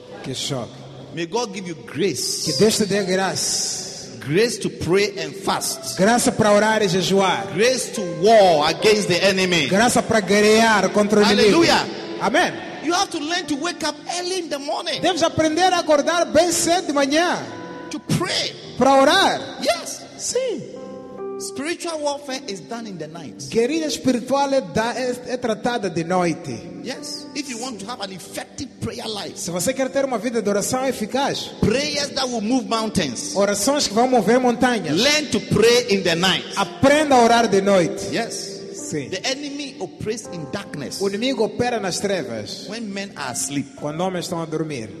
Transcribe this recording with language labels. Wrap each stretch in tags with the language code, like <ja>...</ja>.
<pt>Que choque!</pt> <en>May God give you grace.</en> <pt>Que Deus te dê graça.</pt> <en>Grace to pray and fast.</en> <pt>Graça para orar e jejuar.</pt> <en>Grace to war against the enemy.</en> <pt>Graça para guerrear contra o inimigo.</pt> <en>Hallelujah. Amen. You have to learn to wake up early in the morning.</en> <pt>Deves aprender a acordar bem cedo de manhã.</pt> <en>To pray.</en> <pt>Para orar.</pt> <en>Yes.</en> <pt>Sim.</pt> <en>Spiritual warfare is done in the night.</en> <pt>Guerrilha espiritual é tratada de noite.</pt> <en>Yes. If you want to have an effective prayer life.</en> <pt>Se você quer ter uma vida de oração eficaz.</pt> <en>Prayers that will move mountains.</en> <pt>Orações que vão mover montanhas.</pt> <en>Learn to pray in the night.</en> <pt>Aprenda a orar de noite.</pt> <en>Yes.</en> <pt>Sim.</pt> <en>The enemy operates in darkness.</en> <pt>O inimigo opera nas trevas.</pt> <en>When men are asleep.</en> <pt>Quando homens estão a dormir.</pt>